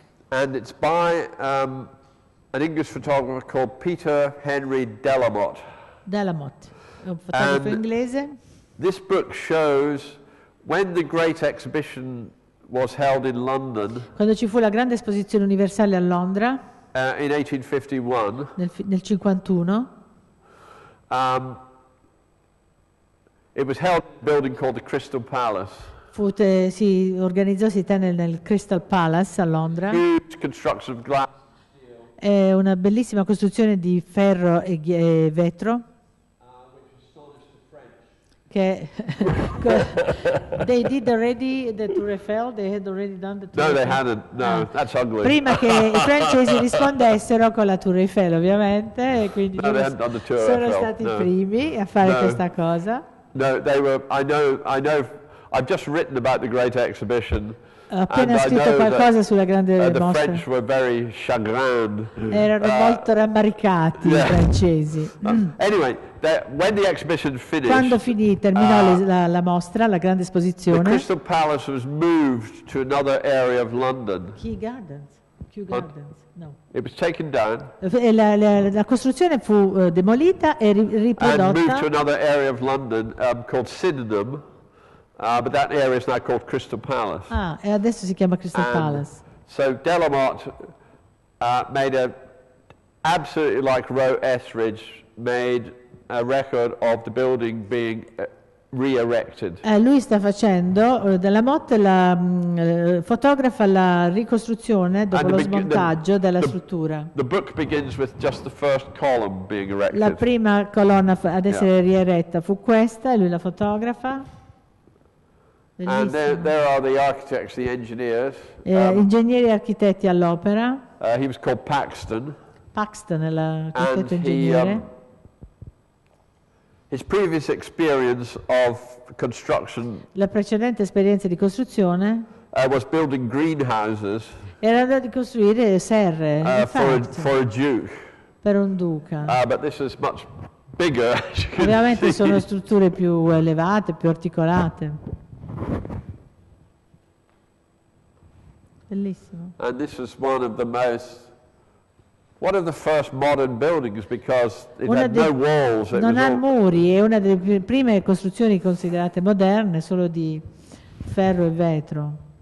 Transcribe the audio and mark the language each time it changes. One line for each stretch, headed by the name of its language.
English: And it's by an English photographer called Peter Henry Delamotte.
Italian: Delamotte, un inglese.
English: This book shows when the Great Exhibition was held in London.
Italian: Quando ci fu la grande esposizione universale a Londra.
English: In 1851.
Italian: Nel 51.
English: It was held in a building called the Crystal Palace.
Italian: Si tenne nel Crystal Palace a Londra.
English: Huge construction of glass.
Italian: È una bellissima costruzione di ferro e vetro.
English: They did already the Tour Eiffel. They had already done the Tour no, Eiffel. They hadn't. No, that's ugly.
Italian: Prima che i francesi rispondessero con la Tour Eiffel, ovviamente, e quindi
English: no, they hadn't done the Tour
Italian: sono
English: Eiffel.
Italian: Stati
English: no.
Italian: Primi a fare no. Questa cosa.
English: No, they were. I know. I've just written about the Great Exhibition.
Italian: Ho appena scritto qualcosa sulla grande mostra.
English: The French were very chagrined.
Italian: Erano molto rammaricati yeah. I francesi.
English: Anyway, when the exhibition finished,
Italian: quando finì, terminò la mostra, la grande esposizione.
English: The Crystal Palace was moved to another area of London. Kew Gardens. No. It was taken down.
Italian: La costruzione fu demolita e riprodotta.
English: And moved to another area of London called Sydenham. But that area is now called Crystal Palace.
Italian: Ah, e adesso si chiama Crystal Palace.
English: So Delamotte made a absolutely like Roe Etheridge made a record of the building being re-erected.
Italian: Lui sta facendo Delamotte fotografa la ricostruzione dopo lo smontaggio della struttura.
English: The book begins with just the first column being erected.
Italian: La prima colonna ad essere rieretta fu questa e lui la fotografa.
English: And there are the architects, the engineers.
Italian: Ingegneri e architetti all'opera.
English: He was called Paxton.
Italian: Paxton è l'architetto ingegnere.
English: His previous experience of construction.
Italian: La precedente esperienza di costruzione.
English: Was building greenhouses.
Italian: Era andato a costruire serre.
English: For a duke.
Italian: Per un duca.
English: But this is much bigger.
Italian: Ovviamente sono strutture più elevate, più articolate. Bellissimo.
English: And this is one of the most. One of the first modern buildings because it
Italian: una
English: had no walls.
Italian: Non ha muri, è una delle prime costruzioni considerate moderne, solo di ferro e vetro.